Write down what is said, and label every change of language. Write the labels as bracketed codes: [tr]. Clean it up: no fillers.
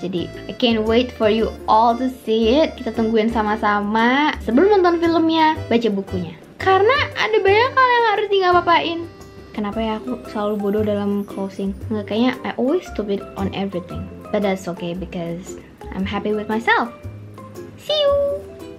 [id] Jadi [en] I can't wait for you all to see it. [id] Kita tungguin sama-sama. Sebelum nonton filmnya, baca bukunya, karena ada banyak hal yang harus digapapain. Kenapa ya aku selalu bodoh dalam closing? Nggak, kayaknya [en] I always stupid on everything. But that's okay because I'm happy with myself. See you!